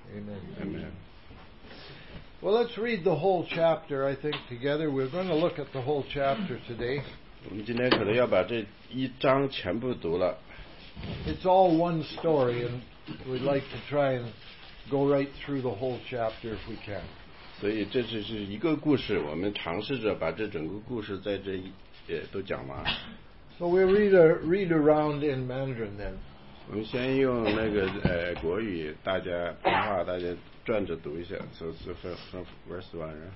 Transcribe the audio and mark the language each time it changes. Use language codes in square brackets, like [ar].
[en] Amen. Amen. Well, let's read the whole chapter, I think, together. We're going to look at the whole chapter today. [zh] 我们今天可能要把这一章全部读了。 [en] It's all one story, and we'd like to try and go right through the whole chapter if we can. [zh] 所以这只是一个故事，我们尝试着把这整个故事在这都讲完。 [en] So we'll read around in Mandarin then. [zh] 我们先用那个国语，大家普通话，大家。转着读一下 [en] so from verse 1 right?